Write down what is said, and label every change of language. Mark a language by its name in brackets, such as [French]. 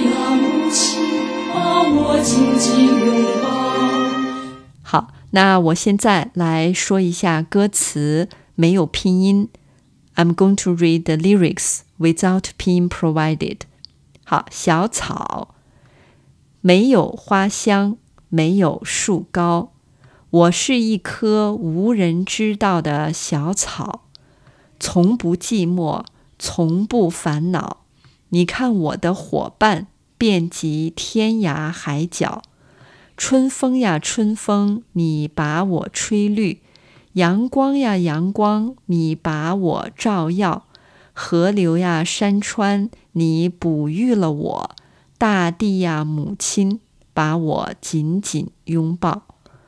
[Chinese] 大地呀，母亲，把我紧紧拥抱。好，那我现在来说一下歌词，没有拼音。 [English] I'm going to read the lyrics without 拼音 provided. [Chinese] 好，小草，没有花香，没有树高，我是一棵无人知道的小草，从不寂寞，从不烦恼。你看我的伙伴遍及天涯海角，春风呀春风你把我吹绿，阳光呀阳光你把我照耀，河流呀山川你哺育了我，大地呀母亲把我紧紧拥抱。